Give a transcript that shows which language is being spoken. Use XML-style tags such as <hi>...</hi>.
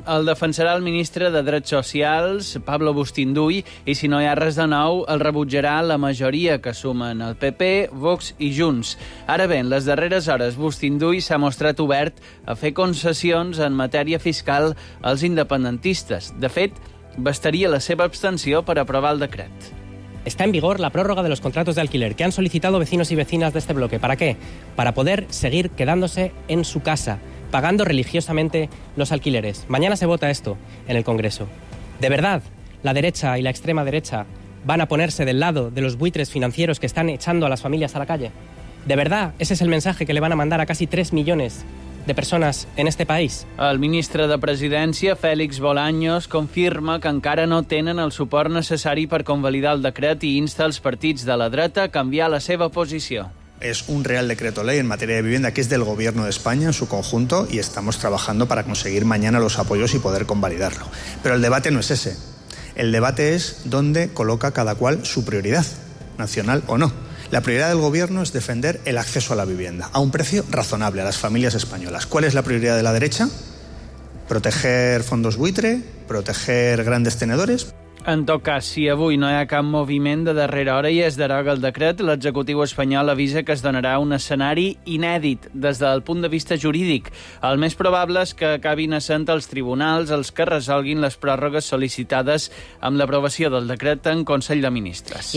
<ca>El defensarà el ministre de Drets Socials, Pablo Bustinduy, i si no hi ha res de nou, el rebutjarà la majoria que suma formen el PP, Vox i Junts. Ara bé, en les darreres hores, Bustinduy s'ha mostrat obert a fer concessions en matèria fiscal als independentistes. De fet, bastaria la seva abstenció per aprovar el decret.</ca> <es>Está en vigor la prórroga de los contratos de alquiler que han solicitado vecinos y vecinas de este bloque. ¿Para qué? Para poder seguir quedándose en su casa, pagando religiosamente los alquileres. Mañana se vota esto en el Congreso. ¿De verdad la derecha y la extrema derecha van a ponerse del lado de los buitres financieros que están echando a las familias a la calle? ¿De verdad ese es el mensaje que le van a mandar a casi 3 millones de persones en este país?</es> <ca>El ministre de Presidència, Félix Bolaños, confirma que encara no tenen el suport necessari per convalidar el decret i insta els partits de la dreta a canviar la seva posició.</ca> <es>Es un real decreto ley en materia de vivienda que es del gobierno de España en su conjunto y estamos trabajando para conseguir mañana los apoyos y poder convalidarlo. Pero el debate no es ese. El debate es dónde coloca cada cual su prioridad, nacional o no. La prioridad del gobierno es defender el acceso a la vivienda a un precio razonable a las familias españolas. ¿Cuál es la prioridad de la derecha? ¿Proteger fondos buitre? ¿Proteger grandes tenedores?</es> <ca>En tot cas, si avui no hi ha cap moviment de darrera hora i es deroga el decret, l'executiu espanyol avisa que es donarà un escenari inèdit des del punt de vista jurídic. El més probable és que acabin assent els tribunals els que resolguin les pròrrogues sol·licitades amb l'aprovació del decret en Consell de Ministres.</ca>